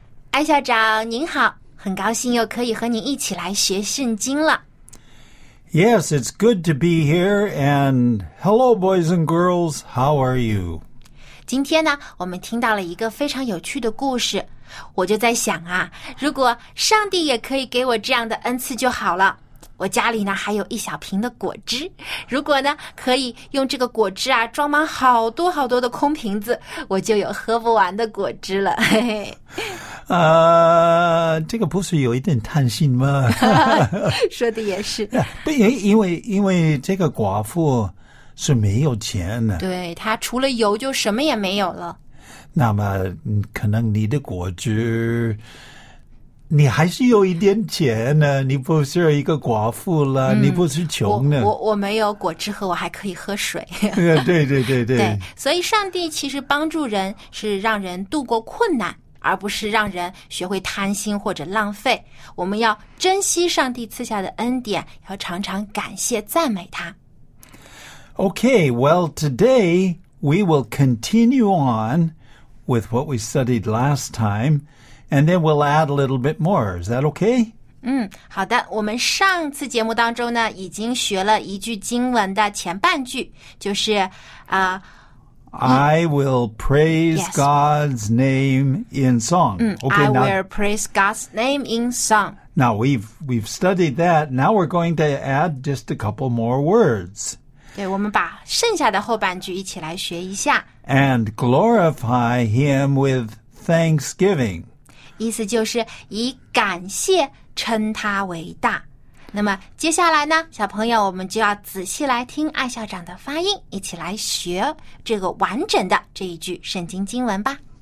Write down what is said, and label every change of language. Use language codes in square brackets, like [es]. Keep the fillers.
[zh] 艾校长您好，很高兴又可以和您一起来学圣经了。 [en] Yes, it's good to be here. And hello, boys and girls, how are you? [zh] 今天呢，我们听到了一个非常有趣的故事，我就在想啊，如果上帝也可以给我这样的恩赐就好了。我家里呢还有一小瓶的果汁，如果呢可以用这个果汁啊装满好多好多的空瓶子，我就有喝不完的果汁了。啊 、呃，这个不是有一点贪心吗？说的也是，因因为因为这个寡妇是没有钱的，对她除了油就什么也没有了。那么，可能你的果汁。你还是有一点钱呢，你不是一个寡妇了，嗯、你不是穷呢。我我,我没有果汁喝，我还可以喝水。对对对对。对，所以上帝其实帮助人是让人度过困难，而不是让人学会贪心或者浪费。我们要珍惜上帝赐下的恩典，要常常感谢赞美他。 [en] Okay, well, today we will continue on with what we studied last time and then we'll add a little bit more. Is that okay? [zh] 嗯，好的。我们上次节目当中呢，已经学了一句经文的前半句，就是啊、 [en] uh,，I will, praise, yes, God's name in 嗯, okay, I will praise God's name in song 嗯。嗯、okay,，I will praise God's name in song。 Now we've we've studied that. Now we're going to add just a couple more words. [zh] 对，我们把剩下的后半句一起来学一下。 [en] And glorify Him with thanksgiving. [zh] 意思就是以感谢称他为大。那么接下来呢，小朋友，我们就要仔细来听艾校长的发音，一起来学这个完整的这一句圣经经文吧。